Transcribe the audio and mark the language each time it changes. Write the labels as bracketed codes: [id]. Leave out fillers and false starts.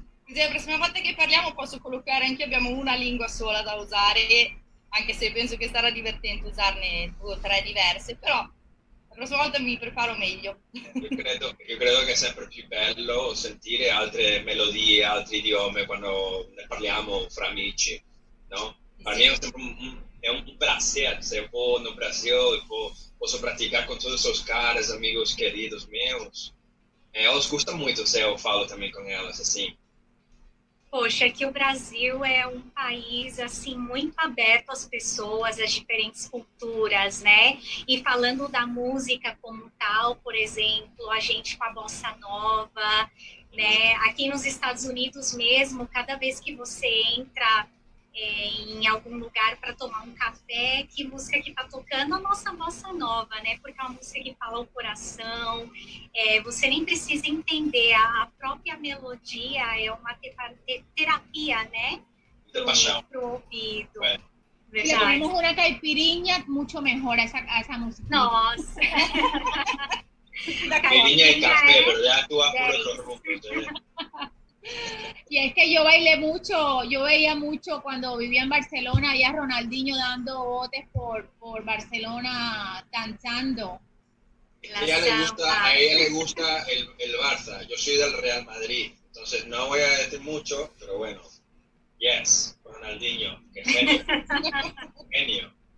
[it] Così la prossima volta che parliamo posso collocare anche, abbiamo una lingua sola da usare, anche se penso che sarà divertente usarne due o tre diverse, però prossima volta mi preparo meglio. Io credo che è sempre più bello sentire altre melodie, altri idiomi quando ne parliamo fra amici, no? Per me è sempre un [pt] prazer, se eu vou no Brasil e posso praticar com todos os seus caras, amigos queridos meus. Elas gostam muito se eu falo também com elas, assim. Poxa, que o Brasil é um país, assim, muito aberto às pessoas, às diferentes culturas, né? E falando da música como tal, por exemplo, a gente com a bossa nova, né? Aqui nos Estados Unidos mesmo, cada vez que você entra em algum lugar para tomar um café, que música que está tocando? A nossa bossa nova, né? Porque é uma música que fala o coração, você nem precisa entender, a própria melodia é uma terapia, né? Para o ouvido. É. Se tomamos uma caipirinha, muito melhor essa música. Nossa! Caipirinha e café, verdade? Tu apura todo mundo, [es] y es que yo bailé mucho, yo veía mucho cuando vivía en Barcelona, había Ronaldinho dando botes por Barcelona, danzando. A ella le gusta el Barça, yo soy del Real Madrid, entonces no voy a decir mucho, pero bueno, yes, Ronaldinho, qué genio.